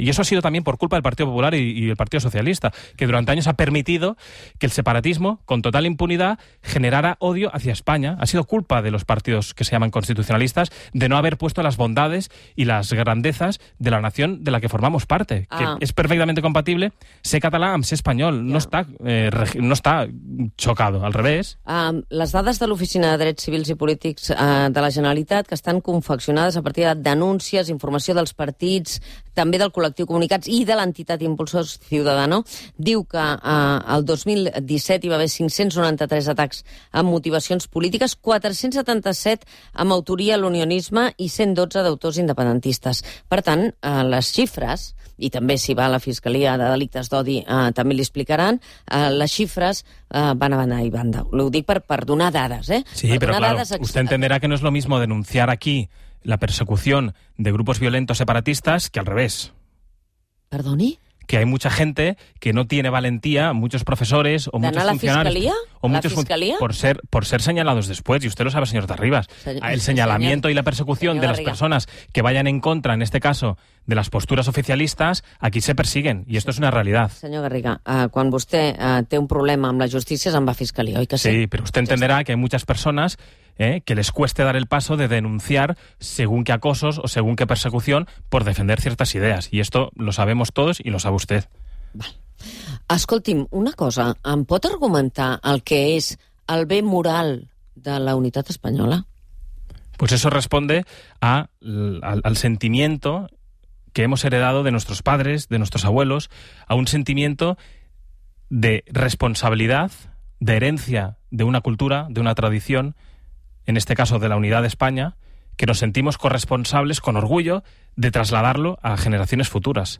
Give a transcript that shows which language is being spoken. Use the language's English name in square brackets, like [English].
[Spanish] Y eso ha sido también por culpa del Partido Popular y el Partido Socialista, que durante años ha permitido que el separatismo, con total impunidad, generara odio hacia España. Ha sido culpa de los partidos que se llaman constitucionalistas de no haber puesto las bondades y las grandezas de la nación de la que formamos parte, que es perfectamente compatible ser catalán amb ser español. No está, no está chocado, al revés. [Catalan] Las dades de l'Oficina de Drets Civils i Polítics de la Generalitat, que estan confeccionades a partir de denúncies, informació dels partits, també del col·lectiu Comunicats i de l'entitat Impulsors Ciudadano, diu que el 2017 hi va haver 593 atacs amb motivacions polítiques, 477 amb autoria a l'unionisme i 112 d'autors independentistes. Per tant, les xifres, i també si va a la Fiscalia de Delictes d'Odi també li explicaran, les xifres van a banda i banda. Ho dic per donar dades, eh? Sí, per però clar, vostè entenderà que no és [Spanish] lo mismo denunciar aquí la persecución de grupos violentos separatistas que al revés. [Catalan] ¿Perdoni? [Spanish] Que hay mucha gente que no tiene valentía, muchos profesores o muchos funcionarios... [Catalan] ¿De anar a la Fiscalía? [Spanish] Por ser señalados después, y usted lo sabe, señor Tarribas. El señalamiento y la persecución de las personas que vayan en contra, en este caso, de las posturas oficialistas, aquí se persiguen, y esto es una realidad. [Catalan] Senyor Garriga, quan vostè té un problema amb la justícia, se'n va a Fiscalía, oi que sí? [Spanish] Sí, però usted entenderá que hay muchas personas... que les cueste dar el paso de denunciar según qué acosos o según qué persecución por defender ciertas ideas. Y esto lo sabemos todos y lo sabe usted. Vale. [Catalan] Escolti'm, una cosa, ¿em pot argumentar el que és el bé moral de la unitat espanyola? [Spanish] Pues eso responde al sentimiento que hemos heredado de nuestros padres, de nuestros abuelos, a un sentimiento de responsabilidad, de herencia de una cultura, de una tradición, en este caso de la unidad de España, que nos sentimos corresponsables con orgullo de trasladarlo a generaciones futuras.